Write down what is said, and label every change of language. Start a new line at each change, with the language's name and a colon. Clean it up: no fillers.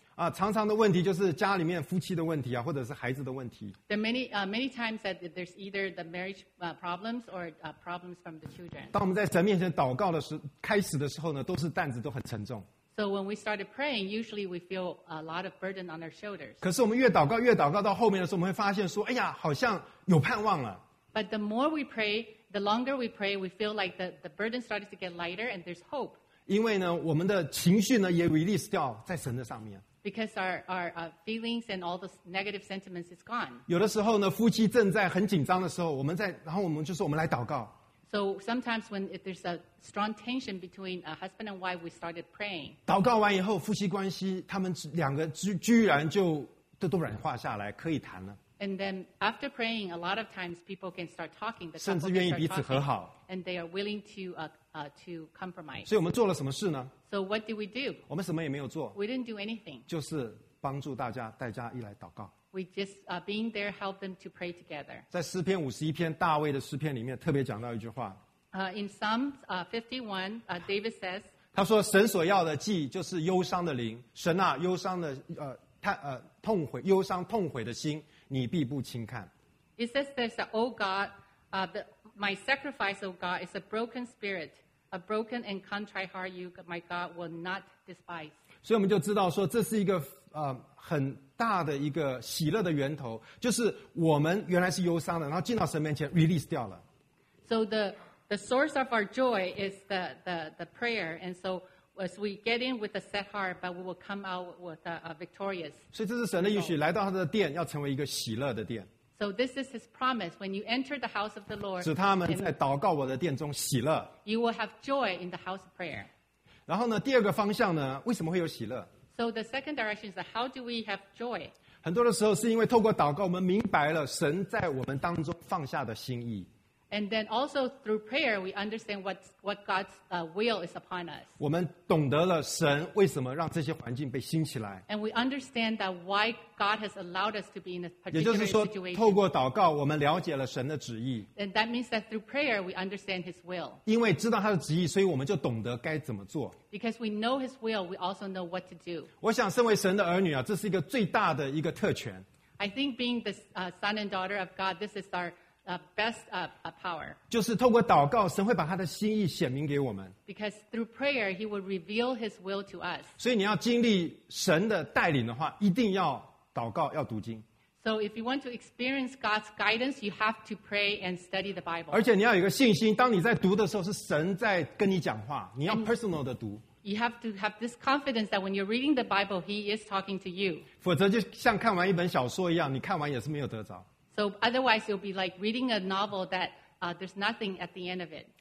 Chinese: 啊，常常的问题就是家里面夫妻的问题啊，或者是孩子的问题。
English: There are many times that there's either the marriage problems or problems from the children.
Chinese: 当我们在神面前祷告的时候，开始的时候呢，都是担子都很沉重。
English: So when we started praying, usually we feel a lot of burden on our shoulders.
Chinese: 可是我们越祷告，越祷告到后面的时候，我们会发现说，哎呀，好像有盼望了。
English: But the more we pray, the longer we pray, we feel like the burden starts to get lighter and there's hope.
Chinese: 因为呢，我们的情绪呢也 release 掉在神的上面。
English: Because our feelings and all the negative sentiments is gone.
Chinese: 有的时候呢，夫妻正在很紧张的时候，我们在，然后我们就说我们来祷告。
English: So sometimes when there's a strong tension between a husband and wife, we started praying.
Chinese: 祷告完以后，夫妻关系他们两个居然就都软化下来，可以谈了。
English: And then after praying, a lot of times people can start talking. The
Chinese: 甚至愿意彼此和好。
English: And they are willing to compromise.
Chinese: 所以我们做了什么事呢？
English: So what did we do?
Chinese: 我们什么也没有做。
English: We didn't do anything.
Chinese: 就是帮助大家带家一来祷告。
English: We just being there helped them to pray together.
Chinese: 在诗篇五十一篇大卫的诗篇里面特别讲到一句话。
English: In Psalm 51, David says.
Chinese: 他说神所要的祭就是忧伤的灵，神啊，忧伤的痛悔，忧伤痛悔的心，你必不轻看。
English: It says that, O God, my sacrifice, O God, is a broken spirit, a broken and contrite heart. You, my God, will not despise.
Chinese: 所以我们就知道说这是一个很大的一个喜乐的源头，就是我们原来是忧伤的，然后进到神面前 release 掉了。
English: So the source of our joy is the prayer, and so as we get in with a set heart, but we will come out with a victorious.
Chinese: 所以这是神的应许，来到他的殿要成为一个喜乐的殿。
English: So this is his promise. When you enter the house of the Lord,
Chinese: 使他们在祷告我的殿中喜乐。
English: You will have joy in the house of prayer.
Chinese: 然后呢，第二个方向呢，为什么会有喜乐？
English: So the second direction is how do we have joy?
Chinese: 很多的时候是因为透过祷告，我们明白了神在我们当中放下的心意。
English: And then also through prayer, we understand what God's will is upon us.
Chinese: 我们懂得了神为什么让这些环境被兴起来。
English: And we understand that why God has allowed us to be in a particular situation.
Chinese: 也就是说，透过祷告，我们了解了神的旨意。
English: And that means that through prayer, we understand His will.
Chinese: 因为知道他的旨意，所以我们就懂得该怎么做。
English: Because we know His will, we also know what to do.
Chinese: 我想，身为神的儿女啊，这是一个最大的一个特权。
English: I think being the son and daughter of God, this is our best power.
Chinese: 就是透过祷告，神会把他的心意显明给我们。
English: Because through prayer, he will reveal his will to us.
Chinese: 所以你要经历神的带领的话，一定要祷告，要读经。
English: So if you want to experience God's guidance, you have to pray and study the Bible.
Chinese: 而且你要有一个信心，当你在读的时候，是神在跟你讲话，你要 personal 的读。
English: You have to have this confidence that when you're reading the Bible, he is talking to you.
Chinese: 否则就像看完一本小说一样，你看完也是没有得着。
English: So otherwise, it'll be like reading a novel that there's nothing at the end of it.